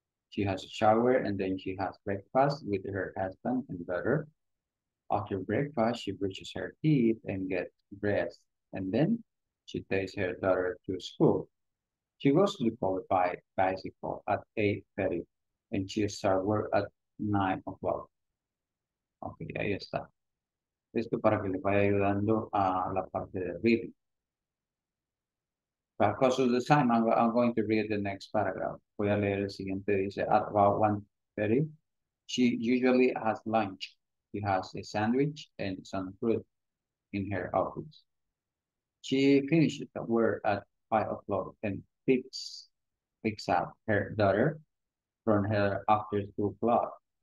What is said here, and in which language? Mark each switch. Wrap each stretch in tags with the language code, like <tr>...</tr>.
<en>She has a shower and then she has breakfast with her husband and daughter. After breakfast, she brushes her teeth and gets dressed. And then she takes her daughter to school. She goes to the qualified bicycle at 8:30 and she starts work at 9 o'clock.</en> <es>Okay, ahí está. Esto para que le vaya ayudando a la parte de reading.</es> <en>Because of the time, I'm going to read the next paragraph.</en> <es>Voy a leer el siguiente.</es> <en>Dice, at about 1:30, she usually has lunch. She has a sandwich and some fruit in her office. She finishes the work at 5 o'clock and picks up her daughter from her after 2 o'clock.</en>